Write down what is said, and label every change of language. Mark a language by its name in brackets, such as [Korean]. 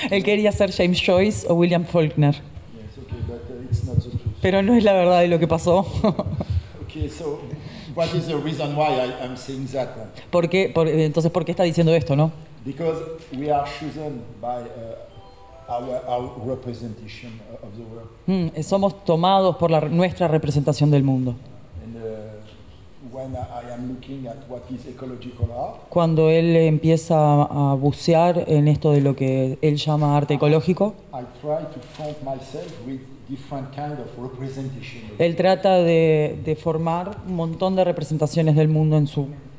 [Spanish] Él quería ser James Joyce o William Faulkner. [English] Yes, okay, but it's not the truth. [Spanish] Pero no es la verdad de lo que pasó. [English] Okay, so what is the reason why I'm saying that? [Spanish] Entonces, ¿por qué está diciendo esto, no? [English] Because we are chosen by our representation of the world. [Spanish] Somos tomados por nuestra representación del mundo. [English] And when I am looking at what is ecological art. [Spanish] Cuando él empieza a bucear en esto de lo que él llama arte ecológico. [English] I try to confront myself with different kind of representation. [Spanish] Él trata de formar un montón de representaciones del mundo en su